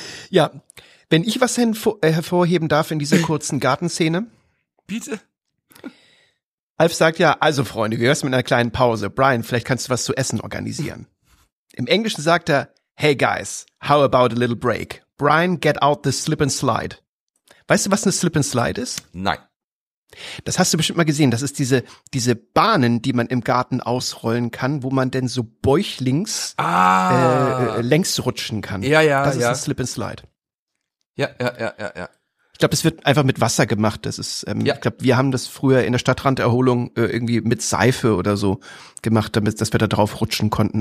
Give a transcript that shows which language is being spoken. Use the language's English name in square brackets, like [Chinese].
[German] Ja, wenn ich was hervorheben darf in dieser kurzen Gartenszene. Bitte. Alf sagt ja, also Freunde, wir hören mit einer kleinen Pause. Brian, vielleicht kannst du was zu essen organisieren. Im Englischen sagt er, [English] hey guys, how about a little break? Brian, get out the slip and slide. [German] Weißt du, was eine slip and slide ist? Nein. Das hast du bestimmt mal gesehen. Das ist diese Bahnen, die man im Garten ausrollen kann, wo man denn so bäuchlings längs rutschen kann. Ja, ja, das ist ja ein Slip and Slide. Ja, ja, ja, ja, ja. Ich glaube, das wird einfach mit Wasser gemacht. Das ist, ich glaube, wir haben das früher in der Stadtranderholung irgendwie mit Seife oder so gemacht, damit, dass wir da drauf rutschen konnten.